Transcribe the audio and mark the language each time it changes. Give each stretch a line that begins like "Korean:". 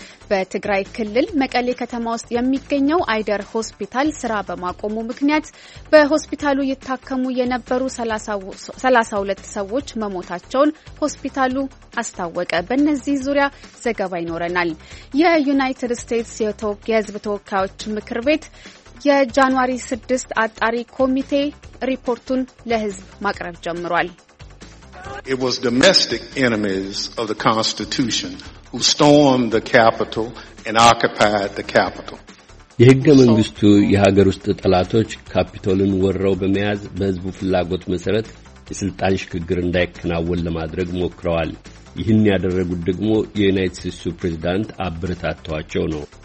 Amharic: በትግራይ ክልል መቀሌ ከተማ ውስጥ የሚገኘው አይደር ሆስፒታል ስራ በማቆሙ ምክንያት በሆስፒታሉ ይታከሙ የነበሩ 32 ሰዎች መሞታቸውን ሆስፒታሉ አስታወቀ። በእነዚህ ዙሪያ ዘገባ ይኖረናል። የዩናይትድ ስቴትስ የህዝብ ተወካዮች ምክር ቤት የጃንዋሪ 6 አጣሪ ኮሚቴ ሪፖርቱን ለህዝብ ማቅረብ ጀምሯል።
English: It was domestic enemies of the Constitution who stormed the Capitol and occupied the Capitol.
Amharic: የህገ መንግስቱ የሀገር ውስጥ ጠላቶች ካፒቶልን ወረው በመያዝ በህዝቡ ፍላጎት መሰረት የስልጣን ሽግግር እንዳይከናወን ለማድረግ ሞክረዋል። ይህን ያደረጉት ደግሞ የዩናይትድ ስቴትስ ፕሬዝዳንት አብርታቷቸው ነው።